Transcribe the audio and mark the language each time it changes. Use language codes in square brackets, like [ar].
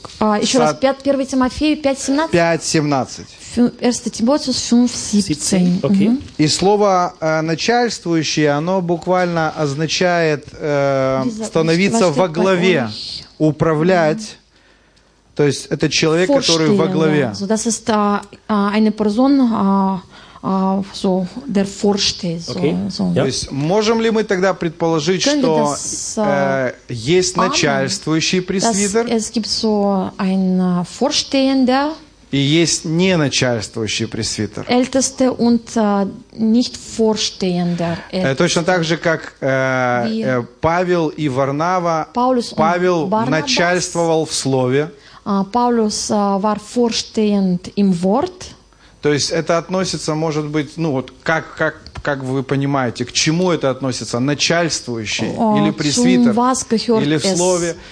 [ru] Так, еще раз, 1 Тимофею, 5.17. 5.17. [de] Эрсте Тимотиус, 5.17. [ru] И слово начальствующий, оно буквально означает становиться во главе, управлять. То есть, это человек, который во главе. [de] Das ist eine Person, so der Vorsteher. [ru] То есть можем ли мы тогда предположить, что есть начальствующий пресвитер? [de] Es gibt so ein Vorstehender. [ru] И есть не начальствующий пресвитер. [de] Älteste und nicht Vorstehender. [ru] Точно так же, как Павел и Варнава. Павел начальствовал в слове. [de] Paulus war Vorstehend im Wort. [ru] То есть это относится, может быть, ну вот как вы понимаете, к чему это относится? Начальствующий или пресвитер? Или в слове?